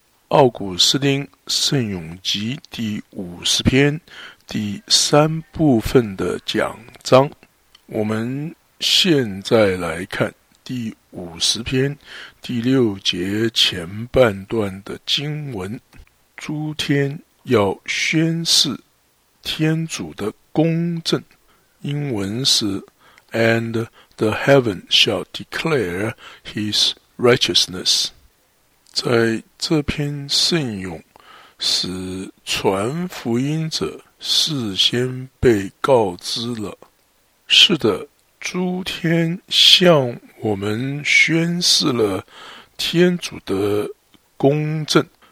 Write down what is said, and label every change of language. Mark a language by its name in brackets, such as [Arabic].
[Chinese] 奥古斯丁圣咏集第五十篇第三部分的讲章，我们现在来看第五十篇第六节前半段的经文。诸天要宣示天主的公正，英文是 [English] And the heaven shall declare his righteousness。 [Chinese] 在这篇圣咏使传福音者事先被告知了，是的，诸天向我们宣示了天主的公正。